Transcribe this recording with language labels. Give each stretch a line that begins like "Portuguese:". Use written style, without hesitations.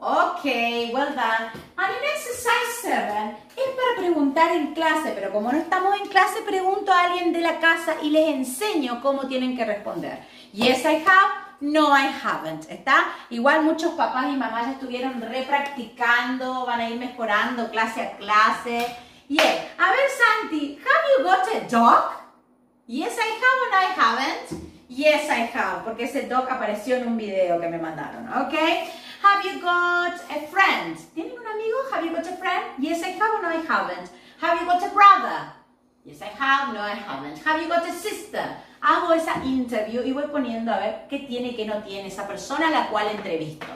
Spanish: Okay, well done. And in exercise 7, es para preguntar en clase, pero como no estamos en clase, pregunto a alguien de la casa y les enseño cómo tienen que responder.
English: Yes, I have. No, I haven't.
Spanish: ¿Está? Igual muchos papás y mamás ya estuvieron repracticando, van a ir mejorando clase a clase.
English: Yeah.
Spanish: A ver,
English: Santi, have you got a dog? Yes, I have. No, I haven't. Yes, I have.
Spanish: Porque ese dog apareció en un video que me mandaron.
English: ¿Ok? Have you got a friend?
Spanish: ¿Tienen un amigo?
English: Have you got a friend? Yes, I have. No, I haven't. Have you got a brother? Yes, I have. No, I haven't. Have you got a sister?
Spanish: Hago esa interview y voy poniendo a ver qué tiene, qué no tiene esa persona a la cual entrevisto.